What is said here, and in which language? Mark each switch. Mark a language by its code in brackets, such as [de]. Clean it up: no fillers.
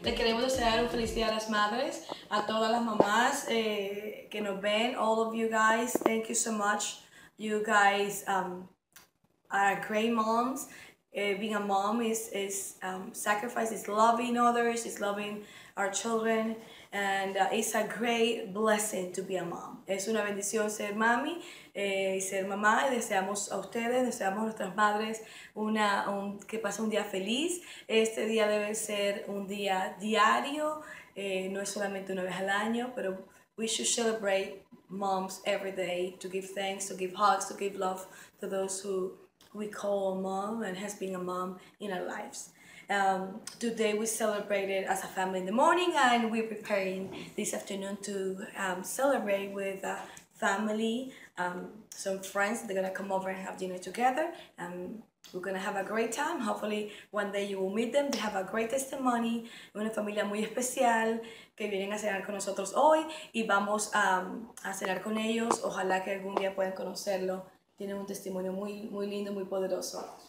[es] Les queremos desear un feliz día a las madres, a todas las mamás que nos ven. [en] All of you guys, thank you so much. You guys are great moms. Being a mom is sacrifice. It's loving others. It's loving our children, and it's a great blessing to be a mom. [es] Es una bendición ser mami y ser mamá. Y deseamos a ustedes, deseamos a nuestras madres que pase un día feliz. Este día debe ser un día diario, no es solamente una vez al año, pero [en] we should celebrate moms every day to give thanks, to give hugs, to give love to those who we call a mom and has been a mom in our lives. Today we celebrate it as a family in the morning, and we're preparing this afternoon to celebrate with a family, some friends. They're gonna come over and have dinner together, and we're gonna have a great time. Hopefully one day you will meet them. They have a great testimony. [es] Una familia muy especial que vienen a cenar con nosotros hoy, y vamos a cenar con ellos. Ojalá que algún día puedan conocerlo. Tienen un testimonio muy, muy lindo, muy poderoso.